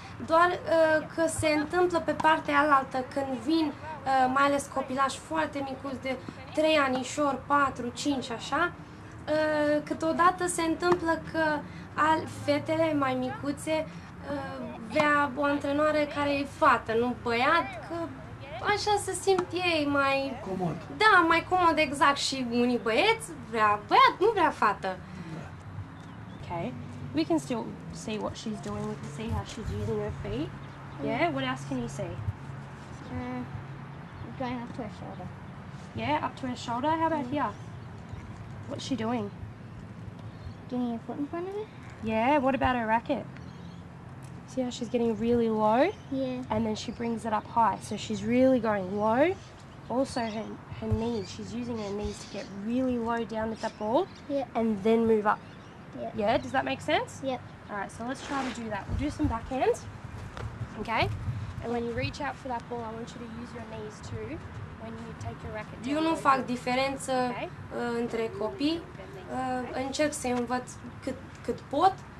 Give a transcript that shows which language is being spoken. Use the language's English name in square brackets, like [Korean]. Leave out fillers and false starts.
[Romanian] Doar că se întâmplă pe partea alaltă când vin mai ales copilași foarte micuți de 3 anișori, 4, 5, așa, câteodată se întâmplă că fetele mai micuțe vrea o antrenoare care e fată, nu băiat, că așa se simt ei mai... Comod. Da, mai comod, exact. Și unii băieți vrea băiat, nu vrea fată. Ok. [English] We can still see what she's doing. We can see how she's using her feet. Yeah, what else can you see? Going up to her shoulder. Yeah, up to her shoulder. How about here? What's she doing? Getting her foot in front of her. Yeah, what about her racket? See how she's getting really low? Yeah. And then she brings it up high. So she's really going low. Also her knees. She's using her knees to get really low down with that ball. Yeah. And then move up. Yep. Yeah, does that make sense? Yep. Alright, so let's try to do that. We'll do some backhands. Okay? And when you reach out for that ball, I want you to use your knees too. When you take your racket down. [Romanian] Eu nu fac diferență între copii. Încerc să-i învăț cât pot.